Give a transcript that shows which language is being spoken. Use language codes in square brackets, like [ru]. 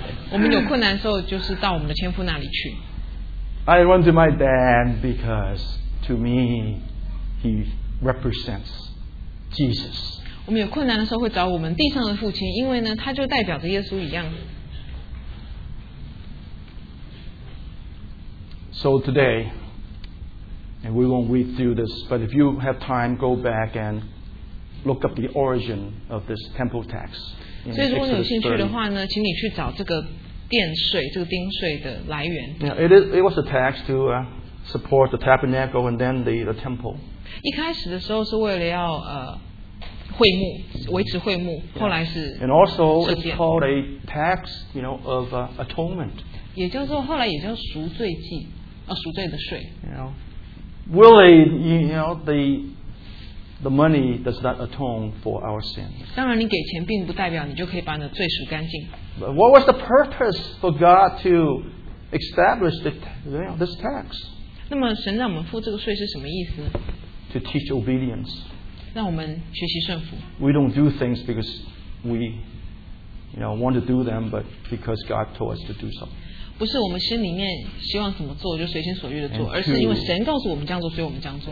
[zh] 我们有困难的时候就是到我们的天父那里去。 [en] I run to my dad because to me, he represents Jesus. [zh] 我们有困难的时候会找我们地上的父亲，因为呢，他就代表着耶稣一样。 [en] So today,And we won't read through this, but if you have time, go back and look up the origin of this temple tax. [zh] 所以如果你有兴趣的话呢，请你去找这个殿税，这个丁税的来源。 [en] Yeah, it was a tax to support the tabernacle and then the temple. [zh] 一开始的时候是为了要会幕，维持会幕，后来是。 [en] And also, it's called a tax, you know, of atonement. [zh] 也就是说，后来也叫赎罪祭，赎罪的税。 [en] You know. Really, you know, the money does not atone for our sins. [zh] 当然，你给钱并不代表你就可以把你的罪赎干净。 [en] But what was the purpose for God to establish the, you know, this tax? [zh] 那么，神让我们付这个税是什么意思？ [en] To teach obedience. [zh] 让我们学习顺服。 [en] We don't do things because we, you know, want to do them, but because God told us to do something. [zh] 不是我们心里面希望怎么做就随心所欲的做，而是因为神告诉我们这样做，所以我们这样做。